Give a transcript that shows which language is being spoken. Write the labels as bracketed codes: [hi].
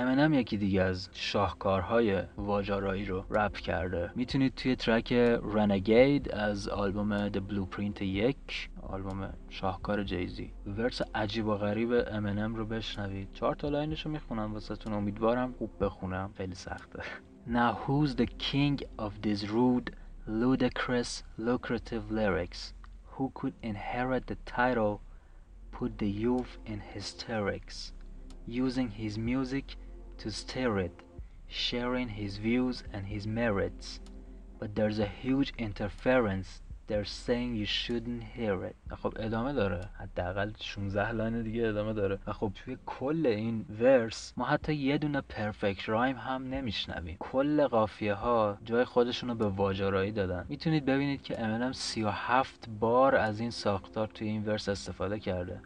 [fa] امینم یکی دیگه از شاهکارهای واژه‌آرایی رو رپ کرده. میتونید توی ترک رنگید از آلبوم The Blueprint 1، آلبوم شاهکار جیزی، ورس عجیب و غریب امینم رو بشنوید. چهار تا لاینش رو میخونم واسه تون، امیدوارم خوب بخونم، خیلی سخته. [en] Now who's the king of these rude, ludicrous, lucrative lyrics? Who could inherit the title, put the youth in hysterics? Using his music to stir it, sharing his views and his merits. But there's a huge interference, they're saying you shouldn't hear it. [fa] خب ادامه داره، حداقل 16 لاین دیگه ادامه داره. و خب توی کل این ورس ما حتی یه دونه پرفکت رایم هم نمیشنویم. کل قافیه ها جای خودشونو به واژه‌آرایی دادن. میتونید ببینید که امینم 37 بار از این ساختار توی این ورس استفاده کرده.